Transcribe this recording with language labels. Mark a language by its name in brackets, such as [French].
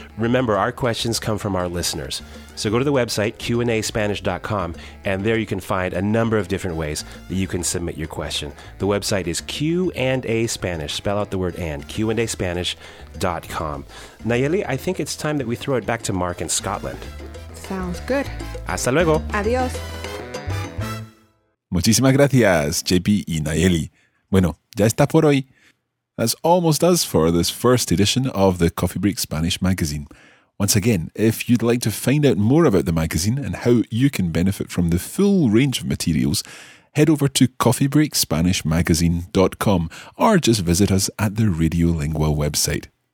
[English] Remember, our questions come from our listeners. So go to the website, QandaSpanish.com, and there you can find a number of different ways that you can submit your question. The website is QandaSpanish. Spell out the word and. QandaSpanish.com. Nayeli, I think it's time that we throw it back to Mark in Scotland. Sounds good. [Spanish] Hasta luego. Adiós. Muchísimas gracias, JP y Nayeli. Bueno, ya está por hoy. [English] That's almost us for this first edition of the Coffee Break Spanish magazine. Once again, if you'd like to find out more about the magazine and how you can benefit from the full range of materials, head over to coffeebreakspanishmagazine.com or just visit us at the Radiolingua website.